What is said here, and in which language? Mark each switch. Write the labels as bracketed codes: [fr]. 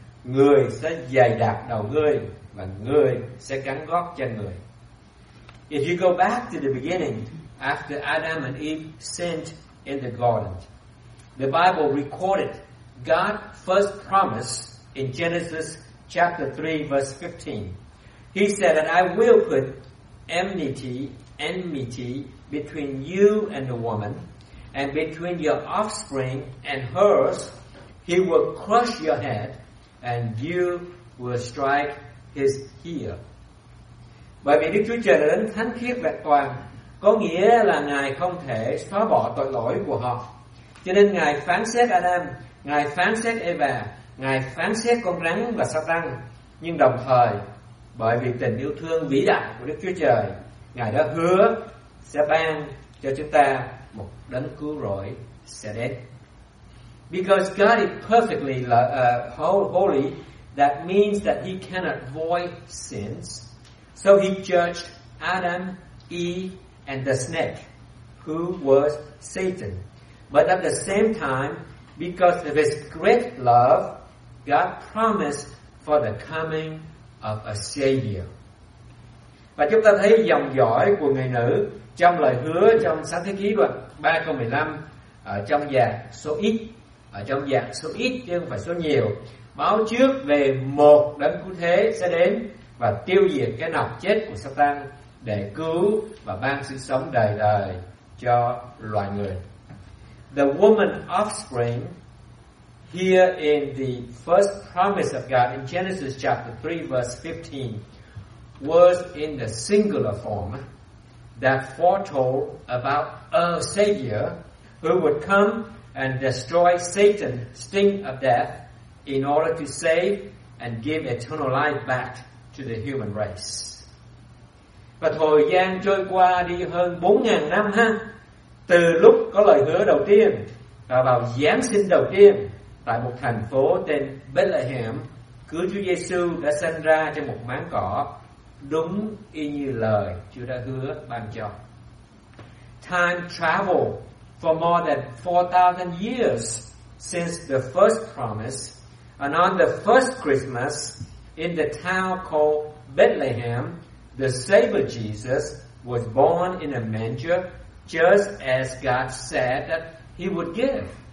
[vi] Người sẽ dày đạp đầu ngươi và ngươi sẽ cắn gót chân người. [en] If you go back to the beginning, after Adam and Eve sinned in the garden. The Bible recorded God's first promise in Genesis chapter 3, verse 15. He said that I will put enmity between you and the woman, and between your offspring and hers. He will crush your head, and you will strike his heel. [vi] Bởi vì Đức Chúa Trời đã đến thánh khiết vẹn toàn, có nghĩa là Ngài không thể xóa bỏ tội lỗi của họ. Cho nên Ngài phán xét Adam, Ngài phán xét Eva, Ngài phán xét con rắn và Satan. Nhưng đồng thời, bởi vì tình yêu thương vĩ đại của Đức Chúa Trời, Ngài đã hứa sẽ ban cho chúng ta một đấng cứu rỗi sẽ đến. [en] Because God is perfectly holy, that means that he cannot avoid sins. So he judged Adam, Eve, and the snake, who was Satan. But at the same time, because of his great love, God promised for the coming of a Savior. [vi] Và chúng ta thấy dòng dõi của người nữ trong lời hứa trong Sáng Thế Ký đoạn 3 câu 15 ở trong dạng số ít, ở trong dạng số ít chứ không phải số nhiều, báo trước về một đấng cứu thế sẽ đến và tiêu diệt cái nọc chết của Satan để cứu và ban sự sống đời đời cho loài người. [en] The woman offspring here in the first promise of God in Genesis chapter 3 verse 15 was in the singular form that foretold about a Savior who would come and destroy Satan's sting of death in order to save and give eternal life back to the human race. [vi] Và thời gian trôi qua đi hơn 4.000 năm ha, từ lúc có lời hứa đầu tiên và vào Giáng sinh đầu tiên tại một thành phố tên Bethlehem, cứu Chúa Giêsu đã sinh ra trên một máng cỏ đúng y như lời Chúa đã hứa ban cho. [en] Time traveled for more than 4,000 years since the first promise, and on the first Christmas in the town called Bethlehem, the Savior Jesus was born in a manger, just as God said that he would give.